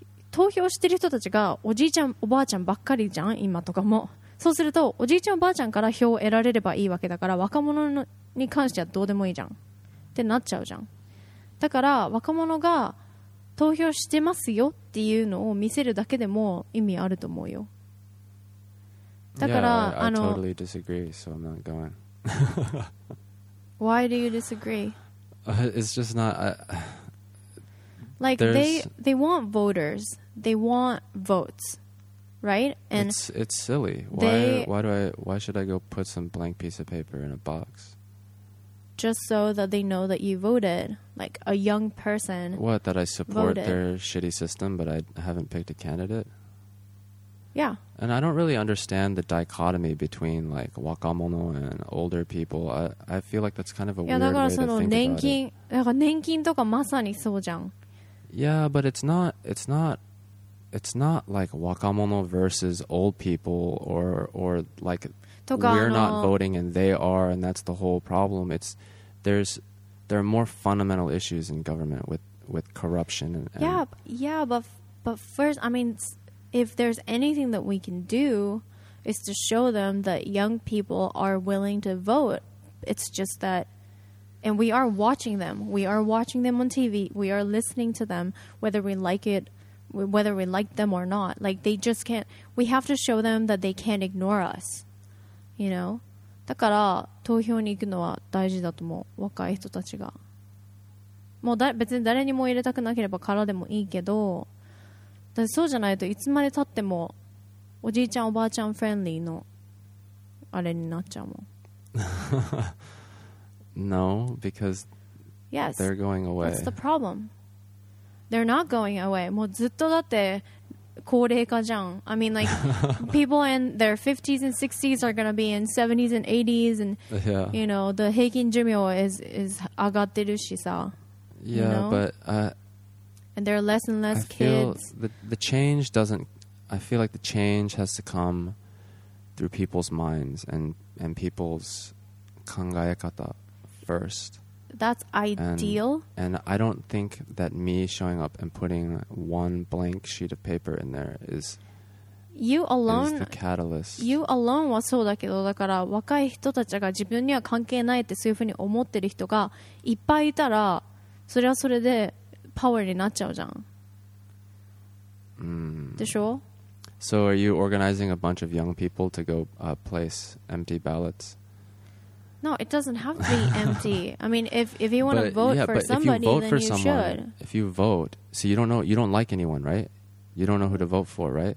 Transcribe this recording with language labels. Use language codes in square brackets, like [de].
[ja] 投票してる人たちがおじいちゃんおばあちゃんばっかりじゃん今とかもそうするとおじいちゃんおばあちゃんから票を得られればいいわけだから若者に関してはどうでもいいじゃんってなっちゃうじゃんだから若者が投票してますよっていうのを見せるだけでも意味あると思うよだから、 [en] yeah, I totally disagree, so I'm not going. Why do you disagree? It's just not... They want voters. They want votes. Right? And it's silly. Why should I go put some blank piece of paper in a box? Just so that they know that you voted. Like a young person What, that I support voted. Their shitty system, but I haven't picked a candidate? Yeah. And I don't really understand the dichotomy between like 若者 and older people. I feel like that's kind of a weird way to think about it. Yeah, [ja] だからその年金、なんか年金とかまさにそうじゃん。 [en] Yeah, but it's not like 若者 versus old people or like we're not voting and they are and that's the whole problem. There are more fundamental issues in government with corruption and but first, I mean... If there's anything that we can do is to show them that young people are willing to vote. It's just that... And we are watching them. We are watching them on TV. We are listening to them, whether we like it, whether we like them or not. Like, they just can't... We have to show them that they can't ignore us. You know? [ja] だから投票に行くのは大事だと思う。若い人たちが。もう別に誰にも入れたくなければからでもいいけど、だそうじゃないといつまでたってもおじいちゃんおばあちゃんフレンリーのあれになっちゃうもん [en] No, because Yes, they're going away. That's the problem. They're not going away. [ja] もうずっとだって高齢化じゃん [en] I mean like people in their 50s and 60s are gonna be in 70s and 80s and、 yeah. you know, the [ja] 平均寿命 [en] is [ja] 上がってるしさ [en] Yeah, you know? but And there are less and less kids. I feel kids. The change doesn't... I feel like the change has to come through people's minds and people's 考え方 first. That's ideal. And I don't think that me showing up and putting one blank sheet of paper in there is... You alone... Is the catalyst. You alone [ja] はそうだけど、だから若い人たちが自分には関係ないってそういうふうに思ってる人がいっぱいいたら、それはそれで、power になっちゃうじゃん。でしょ? [en] So are you organizing a bunch of young people to go place empty ballots? No, it doesn't have to be empty. I mean, if you want to vote for somebody, then you should. If you vote, so you don't know, you don't like anyone, right? You don't know who to vote for, right?